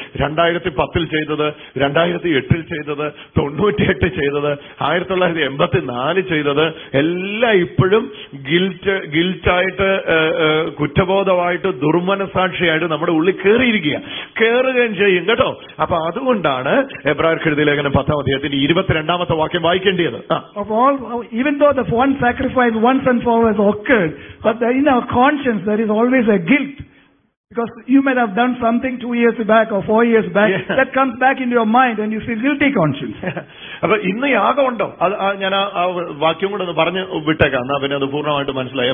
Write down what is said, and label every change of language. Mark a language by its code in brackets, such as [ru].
[ml] 2010 ചെയ്തത്, 2008 ചെയ്തത്, 98 ചെയ്തത്, 1984 ചെയ്തത് എല്ലാം ഇപ്പോഴും ഗിൽറ്റായിട്ട് കുറ്റബോധമായിട്ട് ദുർമനസാക്ഷിയായിട്ട് നമ്മുടെ ഉള്ളിൽ കയറുകയും ചെയ്യും കേട്ടോ. അപ്പൊ അതുകൊണ്ടാണ് എബ്രായർ എഴുതിയ ലേഖനം 10-ാം അധ്യായത്തിന്റെ 22-ാമത്തെ വാക്യം. [en] Of all, even though the one sacrifice once and for all has occurred, but in our conscience there is always a guilt. Because you might have done something 2 years back or 4 years back, yeah, that comes back into your mind and you feel guilty conscience. [ml] അപ്പൊ ഇന്ന് യാഗമുണ്ടോ? അത് ഞാൻ ആ വാക്യം കൂടെ ഒന്ന് പറഞ്ഞ് വിട്ടേക്കാം, എന്നാ പിന്നെ അത് പൂർണ്ണമായിട്ട് മനസ്സിലായി.